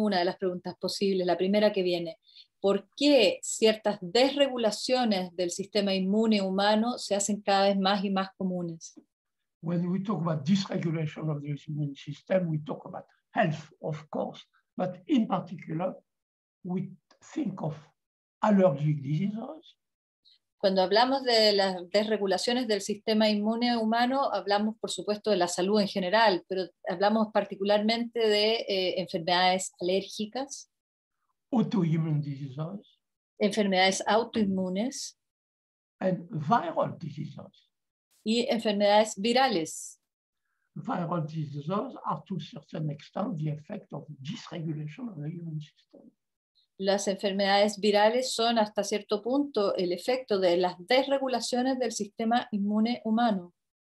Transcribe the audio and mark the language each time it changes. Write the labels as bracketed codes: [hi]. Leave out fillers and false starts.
[es] Una de las preguntas posibles, la primera que viene. ¿Por qué ciertas desregulaciones del sistema inmune humano se hacen cada vez más y más comunes? [en] When we talk about dysregulation of the immune system, we talk about health, of course, but in particular, we think of allergic diseases. [es] Cuando hablamos de las desregulaciones del sistema inmune humano, hablamos, por supuesto, de la salud en general, pero hablamos particularmente de enfermedades alérgicas, [en] autoimmune diseases, [es] enfermedades autoinmunes, [en] and viral diseases. [es] y enfermedades virales. [en] Viral diseases are to a certain extent the effect of dysregulation of the immune system. [es] Las enfermedades virales son hasta cierto punto el efecto de las desregulaciones del sistema inmune humano.